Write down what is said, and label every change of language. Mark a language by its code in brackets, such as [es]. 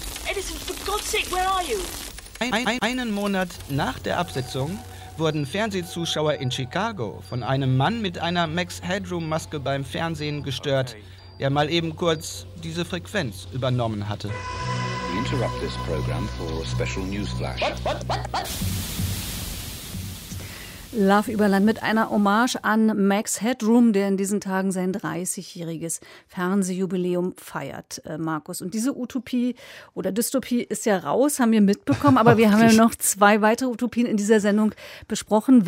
[en] Edison, for God's sake, where are you? [de] Einen Monat nach der Absetzung wurden Fernsehzuschauer in Chicago von einem Mann mit einer Max Headroom-Maske beim Fernsehen gestört, der mal eben kurz diese Frequenz übernommen hatte. [en] We interrupt this program for a special news flash. What? [de] Love über Land mit einer Hommage an Max Headroom, der in diesen Tagen sein 30-jähriges Fernsehjubiläum feiert, Markus. Und diese Utopie oder Dystopie ist ja raus, haben wir mitbekommen, aber wir haben ja noch zwei weitere Utopien in dieser Sendung besprochen.